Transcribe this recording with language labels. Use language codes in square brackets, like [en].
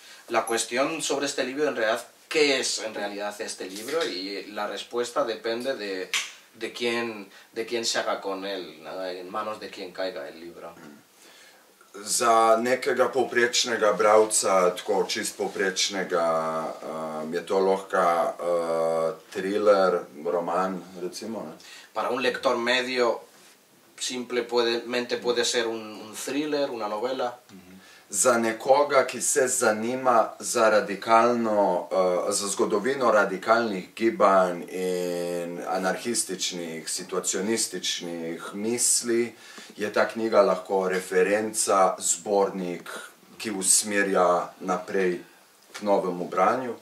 [es] La cuestión sobre este libro, en realidad, ¿qué es en realidad este libro? Y la respuesta depende de quién se haga con él, ¿no? En manos de quién caiga el libro. [sl] Za nekega poprečnega bravca, tako čist poprečnega, je to lahko thriller, roman, recimo, ne? [es] Para un lector medio, simplemente puede ser un thriller, una novela. [sl] Za nekoga, ki se zanima za radikalno, za zgodovino radikalnih gibanj in anarhističnih, situacionističnih misli, je ta knjiga lahko referenca, zbornik, ki usmerja naprej k novemu branju.